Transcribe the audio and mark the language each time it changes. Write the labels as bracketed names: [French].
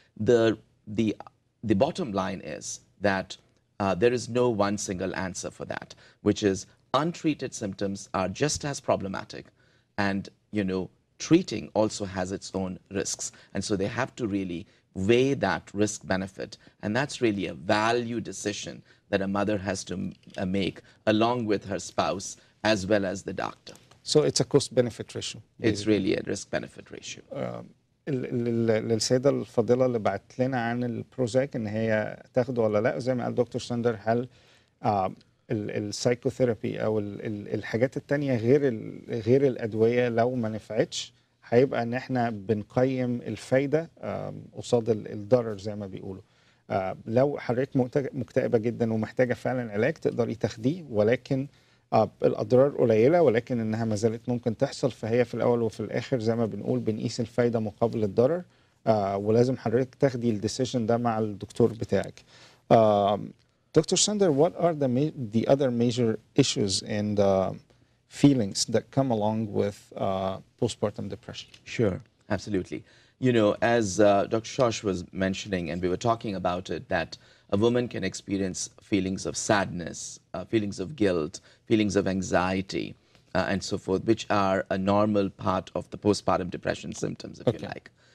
[English] The bottom line is that there is no one single answer for that, which is untreated symptoms are just as problematic, and you know, treating also has its own risks. And so they have to really weigh that risk benefit, and that's really a value decision that a mother has to make along with her spouse as well as the doctor. So it's a cost benefit ratio. Basically. It's really a risk benefit ratio. [Arabic] للسيدة الفاضلة اللي بعت لنا عن البروزاك ان هي تاخده ولا لا, زي ما قال دكتور ساندر, هل السايكوثيرابي او الحاجات التانية غير الأدوية لو ما نفعتش هيبقى ان احنا بنقيم الفايدة قصاد الضرر زي ما بيقولوا. لو حضرتك مكتئبة جدا ومحتاجة فعلا علاج تقدري تاخديه, ولكن الأضرار قليلة ولكن إنها ما زالت ممكن تحصل, فهي في الأول وفي الآخر زي ما بنقول بنقيس الفايدة مقابل الضرر, ولازم حضرتك تاخدي الديسيجن ده مع الدكتور بتاعك. [English] Doctor Sander, what are the other major issues and feelings that come along with postpartum depression? Sure, absolutely. You know, as Dr. Shosh was mentioning, and we were talking about it, that a woman can experience feelings of sadness, feelings of guilt, feelings of anxiety, and so forth, which are a normal part of the postpartum depression symptoms, if you like.